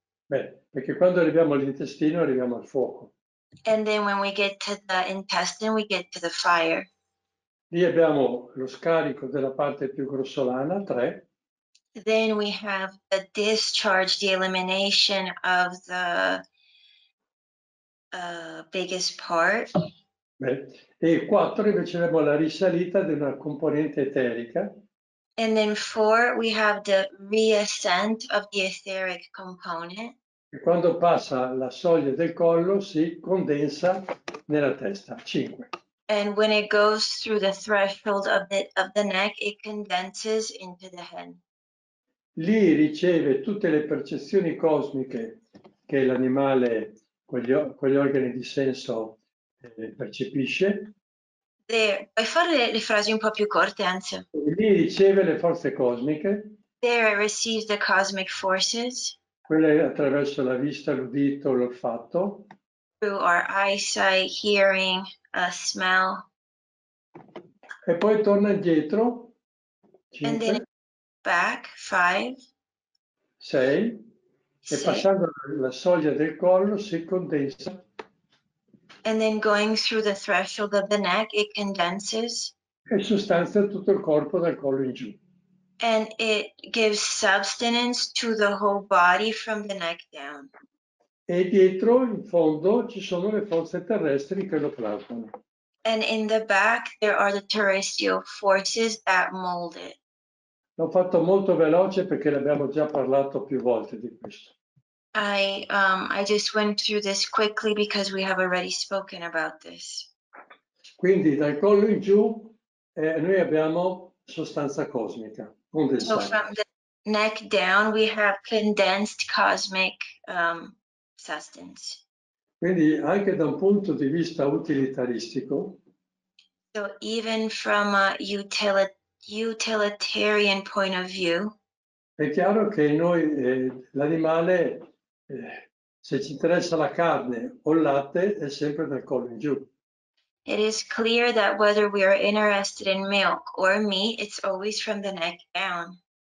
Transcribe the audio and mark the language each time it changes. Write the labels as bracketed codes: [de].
[it] Beh, perché quando arriviamo all'intestino arriviamo al fuoco. [en] And then when we get to the intestine, we get to the fire. [it] Lì abbiamo lo scarico della parte più grossolana, 3. [en] Then we have the discharge, the elimination of the biggest part. [it] Beh, e 4 invece abbiamo la risalita di una componente eterica. [en] And then 4 we have the reascent of the etheric component. [it] E quando passa la soglia del collo si condensa nella testa, 5. [en] And when it goes through the threshold of the neck, it condenses into the head. [it] Lì riceve tutte le percezioni cosmiche che l'animale con gli organi di senso percepisce. Puoi fare le frasi un po' più corte, anzi. Lì riceve le forze cosmiche. [en] There it receives the cosmic forces. [it] Quelle attraverso la vista, l'udito, l'olfatto. [en] Through our eyesight, hearing, a smell. [it] E poi torna indietro. 5. [en] And then back, 5. [it] 6. E passando la soglia del collo si condensa. [en] And then going through the threshold of the neck, it condenses. [it] E sostanza tutto il corpo dal collo in giù. [en] And it gives substance to the whole body from the neck down. [it] E dietro, in fondo, ci sono le forze terrestri che lo plasmano. [en] And in the back, there are the terrestrial forces that mold it. [it] L'ho fatto molto veloce perché l'abbiamo già parlato più volte di questo. [en] I just went through this quickly because we have already spoken about this. [it] Quindi, dal collo in giù, noi abbiamo sostanza cosmica. [en] So from the neck down, we have condensed cosmic substance. [it] Quindi anche da un punto di vista utilitaristico. [en] So even from a utilitarian point of view. [it] È chiaro che noi l'animale, se ci interessa la carne o il latte, è sempre dal collo in giù. [en] It is clear that whether we are interested in milk or meat, it's always from the neck down.